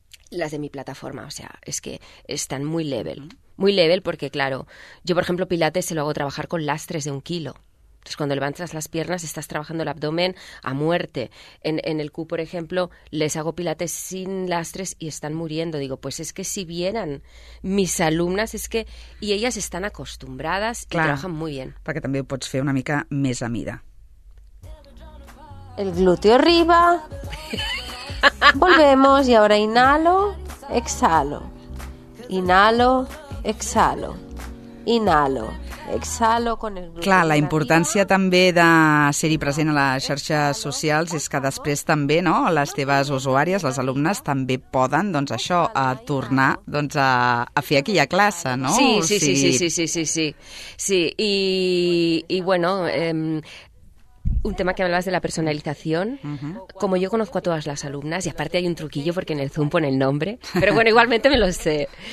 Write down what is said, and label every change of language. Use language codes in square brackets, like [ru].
[es] Las de mi plataforma, o sea, es que están muy level. Muy level porque, claro, yo, por ejemplo, pilates se lo hago trabajar con lastres de 1 kilo. Entonces, cuando levantas las piernas, estás trabajando el abdomen a muerte. En el Q, por ejemplo, les hago pilates sin lastres y están muriendo. Digo, pues es que si vieran mis alumnas, es que... Y ellas están acostumbradas y [ca] clar, [es] trabajan muy bien. [ca] Perquè també ho pots fer una mica més a mida. [es] El glúteo arriba. Volvemos y ahora inhalo, exhalo. Inhalo, exhalo. Inhalo. Exhalo con el... [ca] Clar, la importància també de ser-hi present a les xarxes socials és que després també, no?, les teves usuàries, les alumnes, també poden, doncs, això, a tornar, doncs, a fer aquella classe, no? [es] Sí, sí, sí, sí, sí, sí, sí, sí. Sí, i bueno, un tema que hablabas de la personalización, uh-huh, como yo conozco a todas las alumnas, y aparte hay un truquillo porque en el Zoom pone el nombre, pero bueno, igualmente me lo sé.